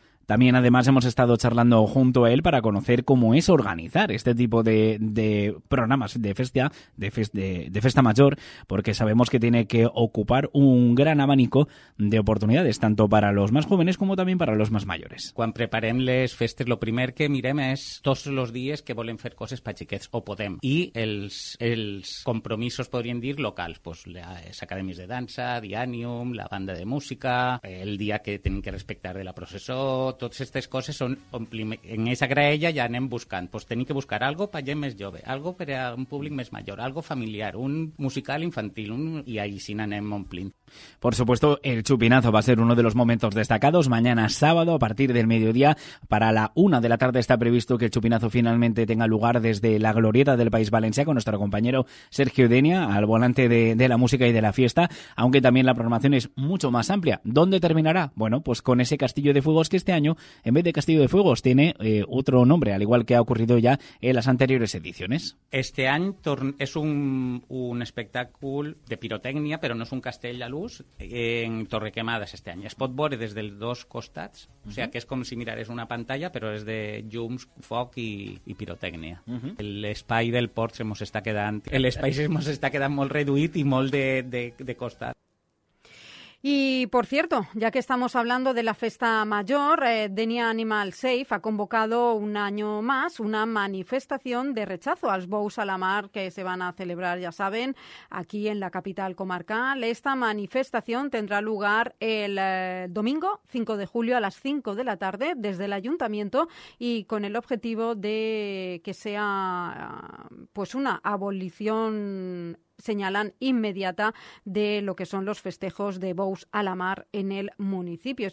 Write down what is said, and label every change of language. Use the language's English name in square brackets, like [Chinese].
[Spanish] También, además, hemos estado charlando junto a él para conocer cómo es organizar este tipo de programas de Festa Major, porque sabemos que tiene que ocupar un gran abanico de oportunidades, tanto para los más jóvenes como también para los más mayores. [Catalan] Quan preparem les festes, lo primer que mirem és tots els dies que volem fer coses per xiquets, o podem. I els compromisos, podríem dir, locals. Pues, les acadèmies de dansa, Dianium, la banda de música, el dia que tenim que respectar de la processó, totes aquestes coses són en esa graella ja anem buscant. Pues tenim que buscar algo per gent més jove, algo per a un públic més major, algo familiar, un musical infantil, i així anem omplint. [Spanish] Por supuesto, el chupinazo va a ser uno de los momentos destacados. Mañana sábado, a partir del mediodía, para la una de la tarde, está previsto que el chupinazo finalmente tenga lugar desde la glorieta del País Valencia con nuestro compañero Sergio Denia al volante de la música y de la fiesta, aunque también la programación es mucho más amplia. ¿Dónde terminará? Bueno, pues con ese Castillo de Fuegos, que este año, en vez de Castillo de Fuegos, tiene otro nombre, al igual que ha ocurrido ya en las anteriores ediciones. Este año es un espectáculo de pirotecnia, [Catalan] pero no es un castell a luz en Torrequemadas este any. Es pot veure des dels dos costats, o sigui, que és com si mirares una pantalla, però és de llums, foc i pirotècnia. Uh-huh. L'espai del port se mos està quedant, l'espai se mos està quedant molt reduït i molt de costat. [Spanish] Y, por cierto, ya que estamos hablando de la Festa Mayor, Denia Animal Safe ha convocado un año más una manifestación de rechazo a los bous a la mar que se van a celebrar, ya saben, aquí en la capital comarcal. Esta manifestación tendrá lugar el domingo 5 de julio a las 5 de la tarde desde el ayuntamiento y con el objetivo de que sea pues una abolición, señalan, inmediata de lo que son los festejos de bous a la mar en el municipio.